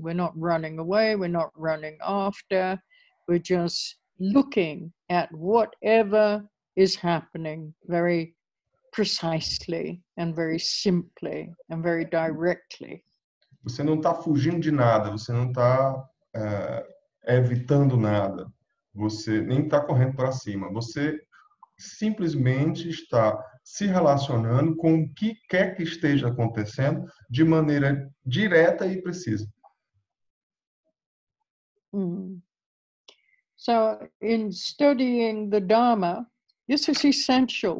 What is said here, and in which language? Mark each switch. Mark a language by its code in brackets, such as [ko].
[en] We're not running away, we're not running after. We're just looking at whatever is happening very precisely and very simply and very directly. [pt] Você não está fugindo de nada, você não está evitando nada, você nem está correndo para cima, você simplesmente está se relacionando com o que quer que esteja acontecendo de maneira direta e precisa. [en] So, in studying the Dharma, this is essential.